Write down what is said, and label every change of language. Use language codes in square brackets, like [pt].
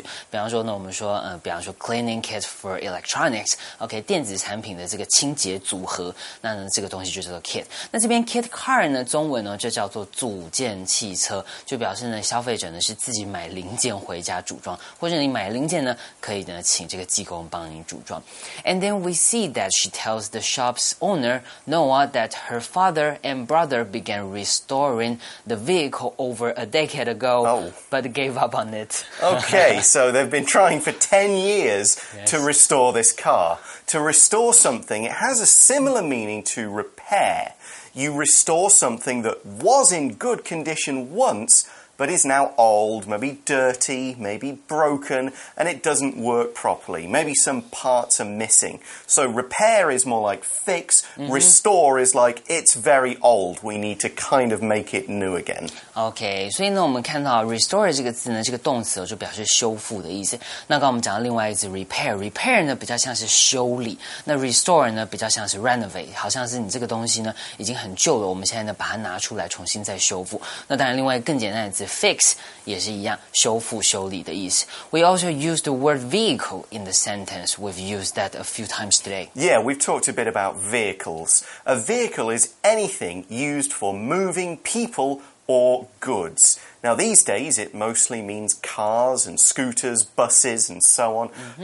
[zh] 比方说呢，我们说，比方说 cleaning kit。 [en] For electronics, [zh] okay, 电子产品的这个清洁组合，那呢这个东西就叫做 kit。那这边 kit car 呢，中文呢就叫做组件汽车，就表示呢消费者呢是自己买零件回家组装，或者你买零件呢可以呢请这个技工帮你组装。 [en] And then we see that she tells the shop's owner Noah that her father and brother began restoring the vehicle over a decade ago, but gave up on it. Okay, so they've been trying for 10 years. To restore this car. To restore something, it has a similar meaning to repair. You restore something that was in good condition once, but is now old, maybe dirty, maybe broken, and it doesn't work properly. Maybe some parts are missing. So repair is more like fix. Mm-hmm. Restore is like it's very old. We need to kind of make it new again. [zh] Okay, 所以呢我们看到 restore 这个字呢这个动词就表示修复的意思。那刚我们讲到另外一字 repair, repair 呢比较像是修理。那 restore 呢比较像是 renovate, 好像是你这个东西呢已经很旧了我们现在呢把它拿出来重新再修复。那当然另外更简单的字Fix 也是一样，修复、修理的意思。 [en] We also use the word vehicle in the sentence. We've used that a few times today. Yeah, we've talked a bit about vehicles. A vehicle is anything used for moving people or goods. Now, these days, it mostly means cars and scooters, buses and so on. Mm-hmm.